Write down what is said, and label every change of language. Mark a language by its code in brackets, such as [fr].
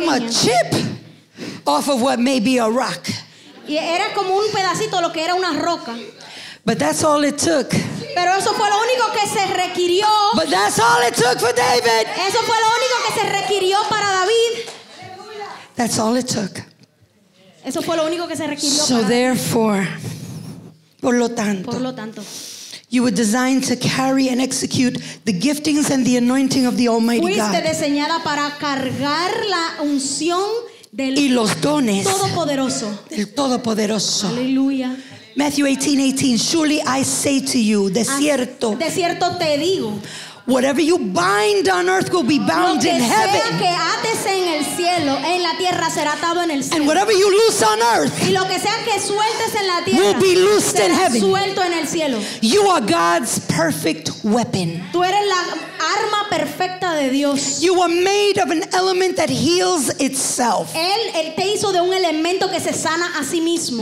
[en] I'm a chip off of what may be a rock. [es] Y era como un pedacito lo que era una roca. [en] But that's all it took. [es] Pero eso fue lo único que se requirió. [en] But that's all it took for David. [es] Eso fue lo único que se requirió para David. [en] That's all it took. [es] Eso fue lo único que se requirió [en] so [es] para [en] therefore, [es] David. Por lo tanto. Por lo tanto. [en] You were designed to carry and execute the giftings and the anointing of the Almighty God. [es] Fuiste diseñada para cargar la unción del y los dones Todopoderoso. Del Todopoderoso. Aleluya. [en] Matthew 18:18. Surely I say to you, [es] de cierto. De cierto te digo. [en] Whatever you bind on earth will be bound in heaven. [es] Lo que sea que ates en el cielo, en la tierra será atado en el cielo. [en] And whatever you loose on earth, [es] y lo que sea que sueltes en la tierra, [en] will be loosed in heaven. [es] Será suelto en el cielo. [en] You are God's perfect weapon. [es] Tú eres la arma perfecta de Dios. [en] You were made of an element that heals itself. [es] Él te hizo de un elemento que se sana a sí mismo.